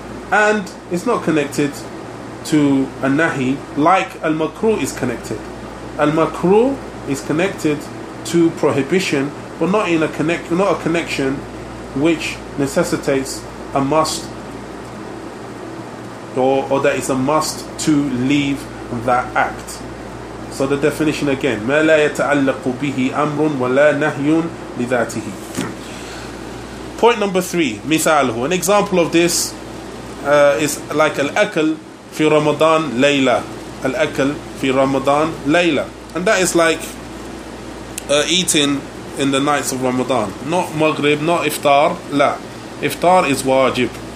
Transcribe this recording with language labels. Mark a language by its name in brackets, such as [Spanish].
[English] And it's not connected to a nahi like al-makruh is connected. Al-makruh is connected to prohibition, but not a connection which necessitates a must, or that is a must to leave that act. So the definition again, [Arabic] مَا لَا يَتَعَلَّقُ بِهِ أَمْرٌ وَلَا نَهْيٌ لِذَاتِهِ. [English] Point number three, [Arabic] مِثَالُهُ, [English] an example of this is like [Arabic] الأكل في رمضان ليلة. الأكل في رمضان ليلة, [English] and that is like eating in the nights of Ramadan. Not Maghrib, not Iftar, la. Iftar is wajib.